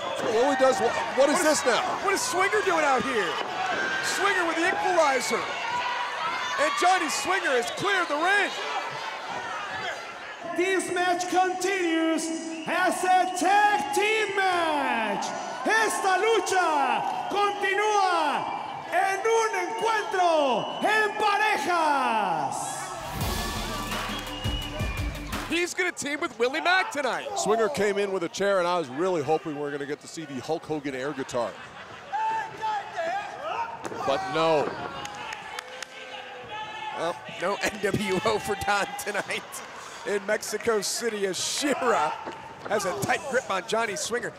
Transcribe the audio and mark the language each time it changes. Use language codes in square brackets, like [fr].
[en] Willie does, what is this now? What is Swinger doing out here? Swinger with the equalizer. And Johnny Swinger has cleared the ring. This match continues as a tag team match. [es] Esta lucha continúa en un encuentro en parejas. [en] He's gonna team with Willie Mack tonight. Swinger came in with a chair and I was really hoping we were gonna get to see the Hulk Hogan air guitar. But no. Well, no NWO for Don tonight in Mexico City as Shira has a tight grip on Johnny Swinger.